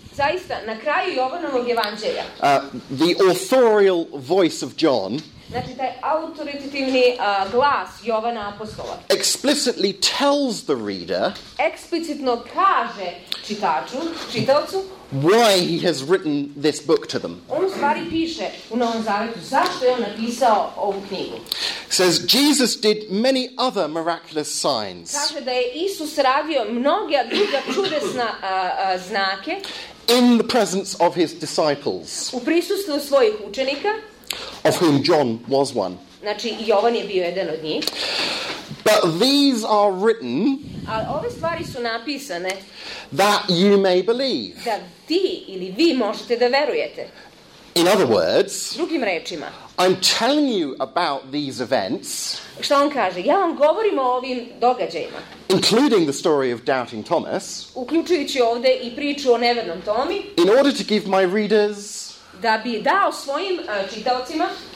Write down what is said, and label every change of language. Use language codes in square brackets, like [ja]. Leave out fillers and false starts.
[sr] zaista, na kraju Jovanovog evanđelja, [en] the authorial voice of John, [sr] znači taj autoritativni glas Jovana apostola, [en] explicitly tells the reader, [sr] eksplicitno kaže čitaču, čitaocu, [en] why he has written this book to them. [sr] On u stvari piše u Novom Zavetu zašto je on napisao ovu knjigu. [en] Says Jesus did many other miraculous signs. [sr] Kaže da je Isus radio mnoge druge čudesne znake [en] in the presence of his disciples. [sr] U prisustvu svojih učenika. [en] Of whom John was one. [sr] Znači Jovan je bio jedan od njih. [en] But these are written. [sr] Ali ove stvari su napisane. [en] That you may believe. [sr] Da ti ili vi možete da verujete. [en] In other words. [sr] Drugim rečima. [en] I'm telling you about these events. [sr] Šta on kaže? Ja vam govorim o ovim događajima. [en] Including the story of doubting Thomas. [sr] Uključujući ovdje i priču o nevernom Tomi. [en] In order to give my readers. [sr] Da bi dao svojim čitaocima